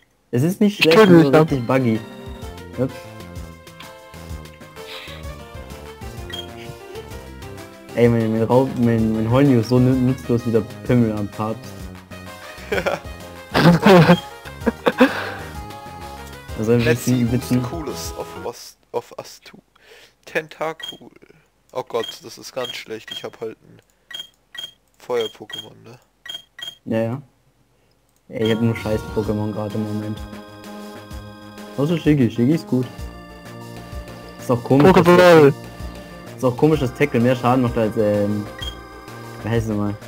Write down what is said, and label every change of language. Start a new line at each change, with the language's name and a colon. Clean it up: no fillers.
German: Es ist nicht schlecht, aber so richtig buggy.
English: Yep.
German: Ey, mein Holny ist so nutzlos wie der Pimmel am Part. Ja.
English: Also, let's see who's the coolest of us two.
German: Tentacool. Oh Gott, das ist ganz schlecht. Ich hab halt ein Feuer-Pokémon, ne? Naja. Ey, ich hab nur scheiß Pokémon gerade im Moment. Außer Shiggy. Shiggy ist gut. Ist auch komisch. Ist auch komisch, dass Tackle mehr Schaden macht als wie heißt es nochmal?